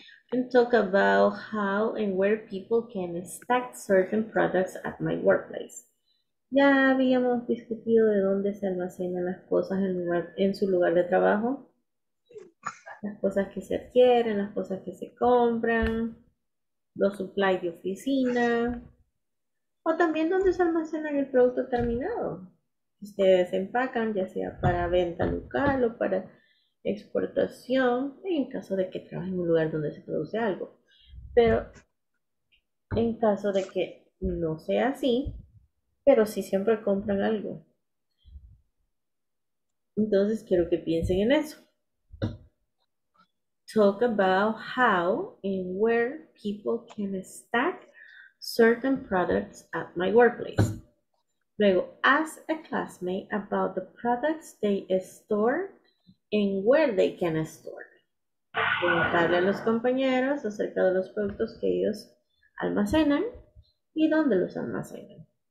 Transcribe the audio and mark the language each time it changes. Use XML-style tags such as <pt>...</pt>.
<en>Can talk about how and where people can stack certain products at my workplace.</en> <es>Ya habíamos discutido de dónde se almacenan las cosas en su lugar de trabajo. Las cosas que se adquieren, las cosas que se compran, los supplies de oficina, o también donde se almacenan el producto terminado. Ustedes empacan, ya sea para venta local o para exportación, en caso de que trabajen en un lugar donde se produce algo. Pero en caso de que no sea así, pero sí siempre compran algo. Entonces quiero que piensen en eso.</es> <en>Talk about how and where people can stack certain products at my workplace.</en> <es>Luego,</es> <en>ask a classmate about the products they store and where they can store.</en> <es>Preguntarle a los compañeros acerca de los productos que ellos almacenan y dónde los almacenan.</es>